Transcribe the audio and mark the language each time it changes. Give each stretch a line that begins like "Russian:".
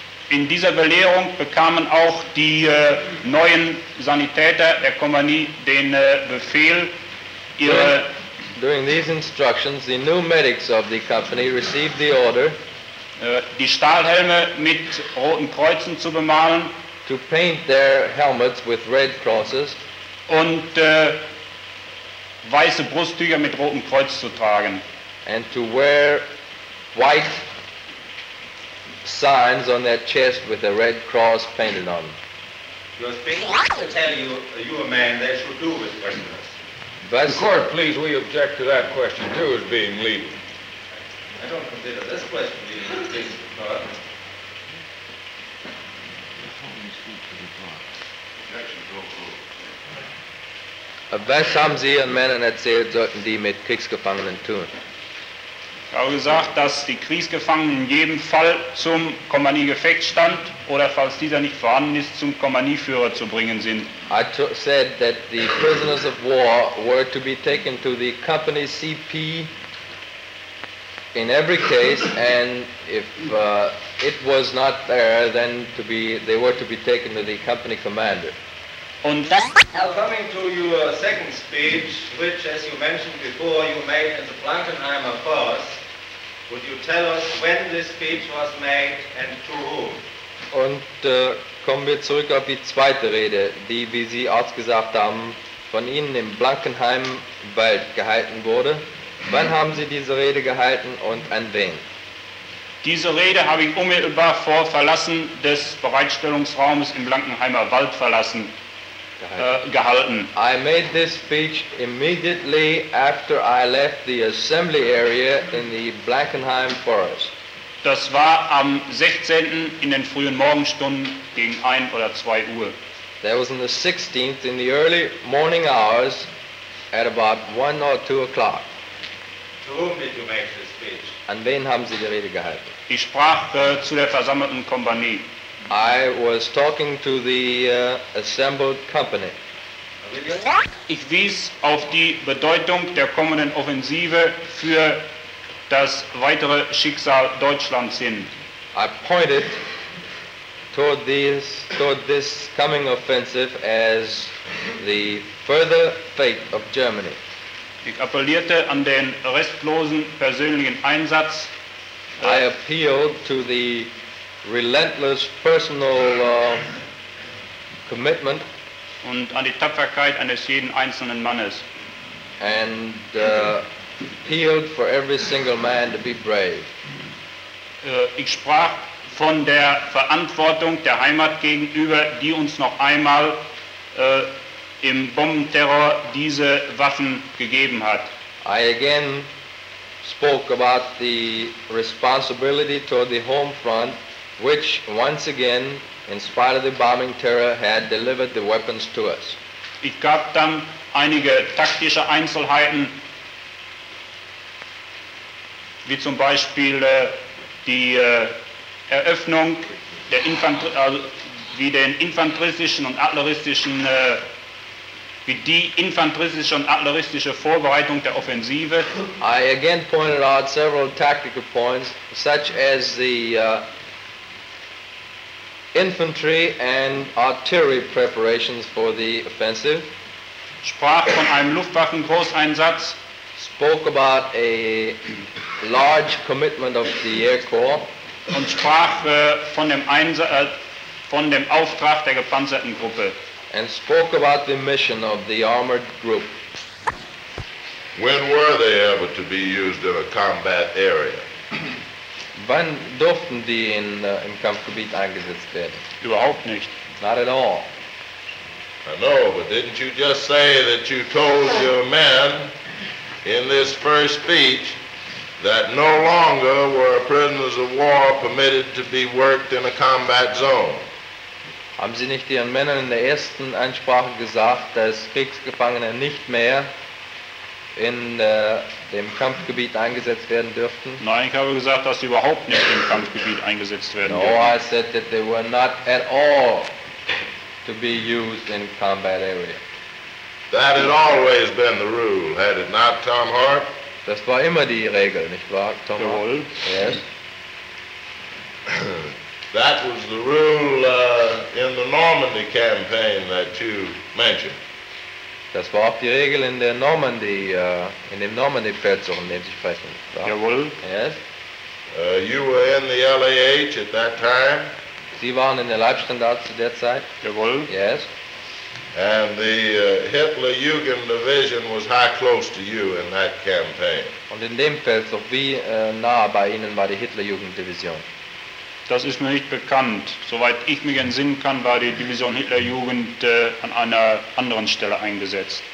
German: In dieser Belehrung bekamen auch die neuen Sanitäter der Kompanie den Befehl, ihre...
English: During these instructions, the new medics of the company received the order
German: die Stahlhelme mit roten Kreuzen zu bemalen,
English: to paint their helmets with red crosses,
German: und weiße Brusttücher mit rotem Kreuz zu tragen,
English: and to wear white signs on their chest with a red cross painted on them. You're speaking to tell you, you're a man, they should do with prisoners. The court, please, we object to that question too as being legal. I don't consider this question being a case of power.
German: Was haben Sie an Männern erzählt, sollten die mit Kriegsgefangenen tun? Ich habe gesagt, dass die Kriegsgefangenen in jedem Fall zum Kompaniegefechtsstand oder falls dieser nicht vorhanden ist, zum Kompanieführer zu bringen sind.
English: I said that the prisoners of war were to be taken to the company CP in every case, and if it was not there, then to be, they were to be taken to the company commander.
German: Und das
English: now coming to your second speech, which, as you mentioned before, you made at the Blankenheimer Forst, Would you tell us when this speech was made and to whom?
German: Und kommen wir zurück auf die zweite Rede, die, wie Sie ausgesagt haben, von Ihnen im Blankenheimwald gehalten wurde. Wann haben Sie diese Rede gehalten und an wen? Diese Rede habe ich unmittelbar vor Verlassen des Bereitstellungsraumes im Blankenheimer Wald verlassen gehalten.
English: I made this speech immediately after I left the assembly area in the Blankenheim Forest.
German: Das war am 16. in den frühen Morgenstunden gegen 1 oder 2 Uhr.
English: That was on the 16th in the early morning hours at about 1 or 2 o'clock. To whom did you make this speech?
German: An wen haben Sie die Rede gehalten? Ich sprach zu der versammelten Kompanie.
English: I was talking to the assembled company.
German: Ich wies auf die Bedeutung der kommenden Offensive für das weitere Schicksal Deutschlands hin.
English: I pointed toward this coming offensive as the further fate of Germany.
German: Ich appellierte an den restlosen persönlichen Einsatz.
English: I appealed to the relentless personal commitment
German: und an die Tapferkeit eines jeden einzelnen Mannes.
English: And appealed for every single man to be brave.
German: Ich sprach von der Verantwortung der Heimat gegenüber, die uns noch einmal im Bombenterror diese Waffen gegeben hat.
English: I again spoke about the responsibility toward the home front, which once again, in spite of the bombing terror, had delivered the weapons to us.
German: Ich gab dann einige taktische Einzelheiten, wie zum Beispiel die Eröffnung der infanteristische und artilleristische Vorbereitung der Offensive.
English: I again pointed out several tactical points, such as the infantry and artillery preparations for the offensive.
German: Sprach von einem Luftwaffengroßeinsatz.
English: Spoke about a large commitment of the Air Corps.
German: Und sprach von dem Auftrag der gepanzerten Gruppe.
English: And spoke about the mission of the armored group. When were they ever to be used in a combat area?
German: Wann durften die in im Kampfgebiet eingesetzt werden? Überhaupt nicht.
English: Not at all. I know, but didn't you just say that you told your men in this first speech that no longer were prisoners of war permitted to be worked in a combat zone?
German: Haben Sie nicht Ihren Männern in der ersten Ansprache gesagt, dass Kriegsgefangene nicht mehr in dem Kampfgebiet eingesetzt werden dürften? Nein, ich habe gesagt, dass sie überhaupt nicht im Kampfgebiet eingesetzt werden dürfen.
English: No, I said that they were not at all to be used in combat area. That had always been the rule, had it not, Tom Hart?
German: Das war immer die Regel, nicht wahr, Tom Hart? Jawohl.
English: Yes. That was the rule in the Normandy campaign that you mentioned.
German: Das war auch die Regel in der Normandy, in dem Normandy-Feldzug, in dem Sie sprechen. Jawohl.
English: Yes. You were in the LAH at that time.
German: Sie waren in der Leibstandarte zu der Zeit. Jawohl.
English: Yes. And the Hitler-Jugend division was high close to you in that campaign.
German: Und in dem Feldzug, wie nah bei Ihnen war die Hitler-Jugend-Division? Das ist mir nicht bekannt. Soweit ich mich entsinnen kann, war die Division Hitlerjugend an einer anderen Stelle eingesetzt.